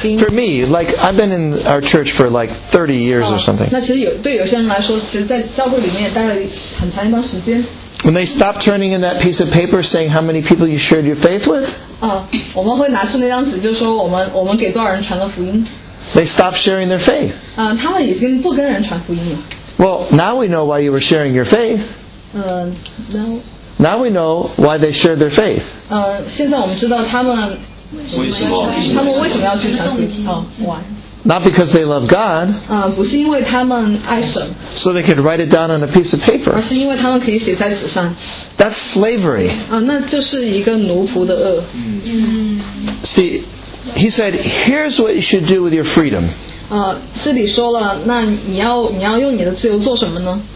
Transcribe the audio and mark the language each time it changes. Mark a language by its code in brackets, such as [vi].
[en] For me, like I've been in our church for like 30 years or something. [zh] 那其实对有些人来说，其实在教会里面也待了很长一段时间。 [en] When they stop turning in that piece of paper saying how many people you shared your faith with, [zh] 我们会拿出那张纸，就说我们给多少人传了福音。 [en] They stop sharing their faith. [zh] 他们已经不跟人传福音了。 [en] Well, now we know why you were sharing your faith. Now we know why they shared their faith. [zh] 现在我们知道他们为什么要去传福音。 [en] Not because they love God. [zh] 不是因为他们爱神。 [en] So they could write it down on a piece of paper. [zh] 而是因为他们可以写在纸上。 [en] That's slavery. [zh] 那就是一个奴仆的恶。 [en] See, he said, here's what you should do with your freedom. [zh] 这里说了，那你要用你的自由做什么呢？